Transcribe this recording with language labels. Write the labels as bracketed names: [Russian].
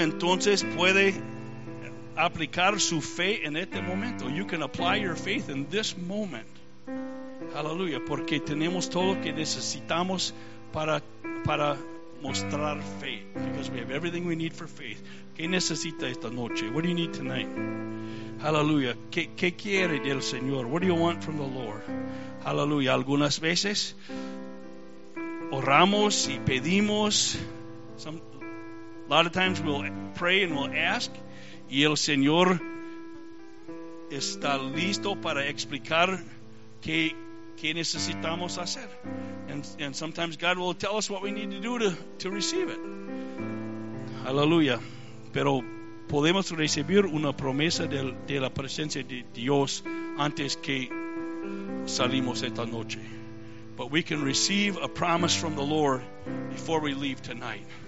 [Spanish] Entonces puede aplicar su fe en este momento. [English] You can apply your faith in this moment. Hallelujah. [Spanish] Porque tenemos todo lo que necesitamos para mostrar fe. [English] Because we have everything we need for faith. [Spanish] ¿Qué necesita esta noche? [English] What do you need tonight? Hallelujah. [Spanish] ¿Qué quiere del Señor? [English] What do you want from the Lord? Hallelujah. [Spanish] Algunas veces oramos y pedimos. [English] A lot of times we'll pray and we'll ask, [Spanish] y el Señor está listo para explicar qué necesitamos hacer. [English] And sometimes God will tell us what we need to do to receive it. Hallelujah. [Spanish] Pero podemos recibir una promesa de la presencia de Dios antes que salimos esta noche. [English] But we can receive a promise from the Lord before we leave tonight.